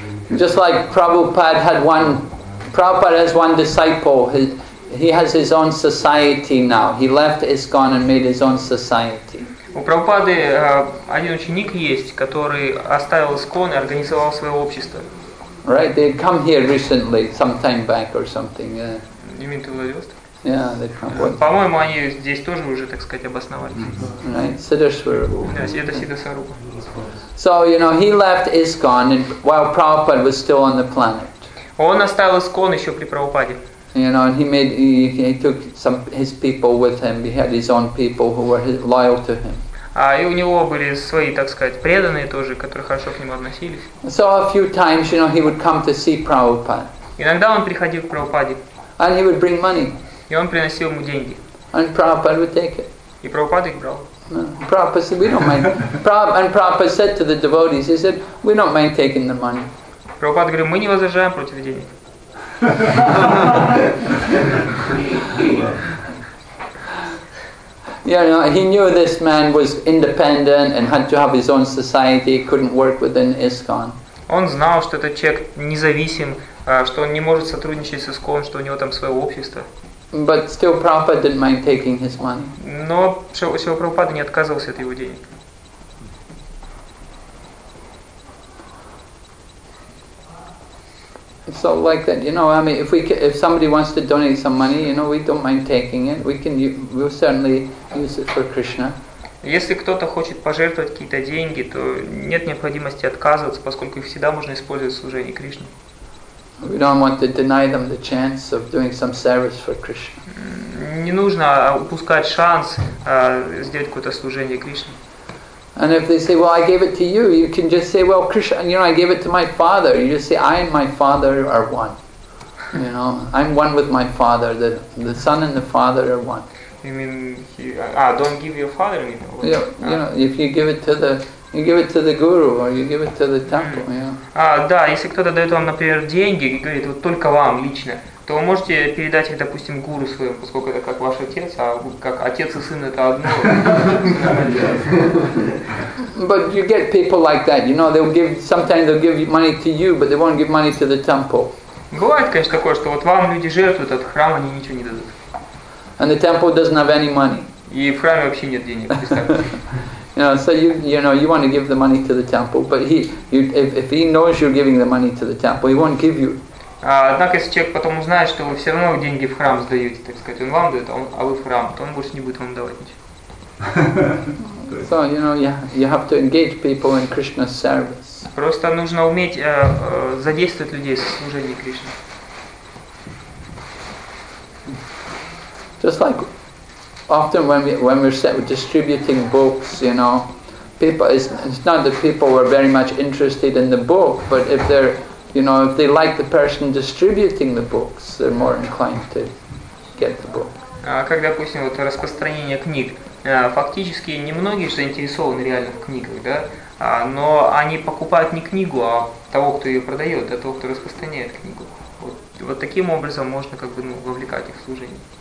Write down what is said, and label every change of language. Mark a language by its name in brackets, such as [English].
[English] Just like Prabhupada had one, Prabhupada has one disciple, he has his own society now. He left ISKCON and made his own society. [Russian] У Прабхупады один ученик есть, который оставил ISKCON и организовал свое общество. [English] Right, they had come here recently, some time back or something, yeah. You mean to Владивосток? Yeah, they come. [Russian] По-моему, они здесь тоже уже, так сказать, обосновались. [English] Right, Siddhaswarupa. [Russian] Да, это Siddhaswarupa. [English] So, you know, he left ISKCON while Prabhupada was still on the planet. [Russian] Он оставил ISKCON еще при Прабхупаде. [English] You know, and he took some his people with him. He had his own people who were loyal to him. [Russian] А и у него были свои, так сказать, преданные тоже, которые хорошо к нему относились. [English] So a few times, you know, he would come to see Prabhupada. [Russian] Иногда он приходил к Прабхупаде. [English] And he would bring money. [Russian] И он приносил ему деньги. [English] And Prabhupada would take it. [Russian] И Прабхупада их брал. [English] No. Prabhupada said, we don't mind. And Prabhupada said to the devotees, he said, we don't mind taking the money. [Russian] Prabhupada говорит, мы не возражаем против денег. [English] You know, he knew this man was independent and had to have his own society, he couldn't work within ISKCON. [Russian] Он знал, что этот человек независим, что он не может сотрудничать с ISKCON, что у него там свое общество. [English] But still, Prabhupada didn't mind taking his money. [Russian] Но Шрила Прабхупада не отказывался от его денег. [English] So like that, you know. I mean, if somebody wants to donate some money, you know, we don't mind taking it. We'll certainly use it for Krishna. [Russian] Если кто-то хочет пожертвовать какие-то деньги, то нет необходимости отказываться, поскольку их всегда можно использовать в служении Кришне. [English] We don't want to deny them the chance of doing some service for Krishna. [Russian] Не нужно упускать шанс сделать какое-то служение Кришне. [English] And if they say, "Well, I gave it to you," you can just say, "Well, Krishna, you know, I gave it to my father." You just say, "I and my father are one." You know, I'm one with my father. The son and the father are one. You mean don't give your father anything? Yeah, you know, if you give it to the You give it to the guru, or you give it to the temple, yeah. [Russian] Да, если кто-то дает вам, например, деньги и говорит, вот только вам лично, то вы можете передать их, допустим, гуру своему, поскольку это как ваш отец, а как отец и сын это одно. [English] But you get people like that, you know, sometimes they'll give money to you, but they won't give money to the temple. [Russian] Бывает, конечно, такое, что вот вам люди жертвуют от храма, они ничего не дадут. [English] And the temple doesn't have any money. [Russian] И в храме вообще нет денег. [English] You know, so you want to give the money to the temple, but if he knows you're giving the money to the temple, he won't give you. [Russian] Однако если человек потом узнает, что вы все равно деньги в храм сдаете, так сказать, он вам дает, а вы в храм, то он больше не будет вам давать ничего. [English] So you know, you have to engage people in Krishna's service. [Russian] Просто нужно уметь задействовать людей в служении Кришне. [English] Just like. Often when we're distributing books, you know, it's not that people were very much interested in the book, but if they're, you know, if they like the person distributing the books, they're more inclined to get the book. [Russian] как, допустим, вот распространение книг. Фактически немногие заинтересованы реально в книгах, да, но они покупают не книгу, а того, кто ее продает, а того, кто распространяет книгу. Вот, вот таким образом можно как бы, ну, вовлекать их в служение.